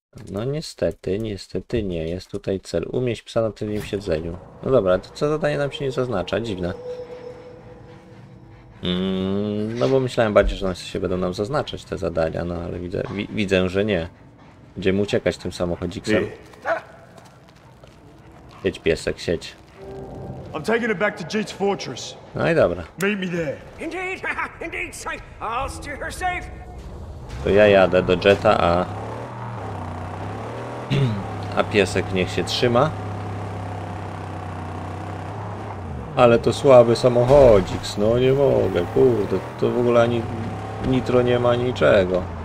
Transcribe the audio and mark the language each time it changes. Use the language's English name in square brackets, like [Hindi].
[Polish] No niestety nie. Jest tutaj cel. Umieść psa na tylnym siedzeniu. No dobra, to co zadanie nam się nie zaznacza? Dziwne. No bo myślałem bardziej, że one się będą nam zaznaczać te zadania, no ale widzę, że nie. Będziemy uciekać tym samochodziksem. Siedź piesek, siedź. [English] I'm taking it back to Jeet's fortress. [Polish] No i dobra. [English] Meet me there. Indeed, indeed, I'll steer her safe. [Polish] To ja jadę do Jeeta, a piesek niech się trzyma. Ale to słaby samochodzik, no nie mogę, kurde, to w ogóle ani nitro nie ma niczego.